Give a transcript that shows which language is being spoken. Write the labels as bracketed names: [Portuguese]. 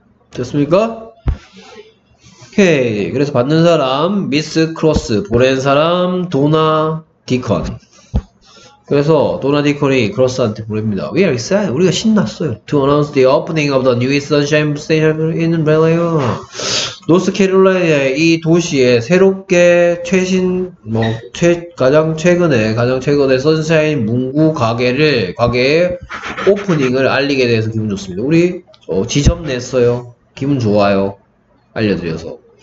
[Korean] 됐습니까? 오케이. 그래서 받는 사람 미스 크로스, 보낸 사람 도나 디컨. 그래서 도나 디컨이 크로스한테 보냅니다. [English] We are excited. [Korean] 우리가 신났어요. [English] To announce the opening of the newest sunshine station in Raleigh. [Korean] 노스 캐롤라이나의 이 도시에 새롭게 최신 뭐 가장 최근에 선샤인 문구 가게의 오프닝을 알리게 돼서 기분 좋습니다. 우리 지점 냈어요. 기분 좋아요. 알려드려서.